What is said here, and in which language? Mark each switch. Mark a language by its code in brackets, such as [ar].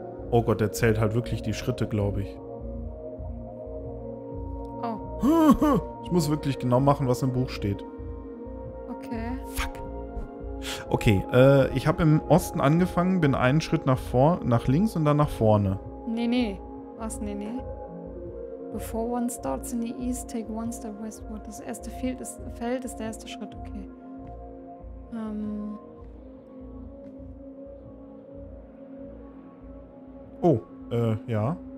[de] Oh Gott, der zählt halt wirklich die Schritte, glaube ich. Oh. Ich muss wirklich genau machen, was im Buch steht. Okay. Fuck. Okay, ich habe im Osten angefangen, bin einen Schritt nach vorne, nach links und dann nach vorne. Nee. Was? Nee. [en] Before one starts in the east, take one step westward. [de] Das erste Feld ist der erste Schritt, okay. Oh, ja.